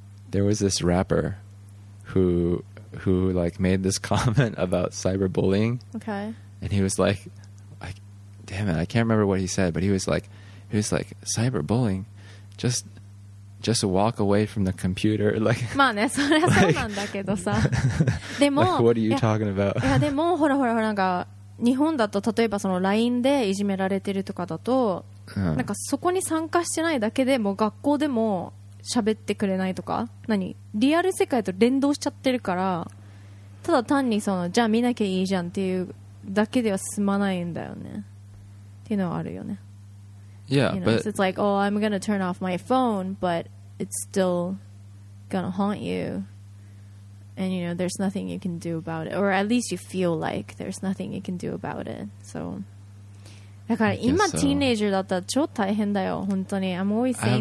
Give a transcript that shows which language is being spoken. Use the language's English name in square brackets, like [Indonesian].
[English] There was this rapper who like made this comment about cyber bullying. Okay. And he was like, damn it, I can't remember what he said, but he was like cyberbullying, just walk away from the computer, like. [Japanese] まあね、それはそうなんだけどさ。でも、 [English] like, what are you talking about? [Japanese] いやでもほらほらほらなんか日本だと例えばその LINE でいじめられてるとかだと、なんかそこに参加してないだけでもう学校でも喋ってくれないとか、何リアル世界と連動しちゃってるから、ただ単にそのじゃあ見なきゃいいじゃんっていうだけでは済まないんだよね。 [English] You know, [Japanese] あるよね。 [English] Yeah, you know, but so it's like, oh, I'm gonna turn off my phone, but it's still gonna haunt you. And you know, there's nothing you can do about it, or at least you feel like there's nothing you can do about it. [Japanese] So, だから今 teenager だったら超大変だよ、本当に。 [English] I'm always saying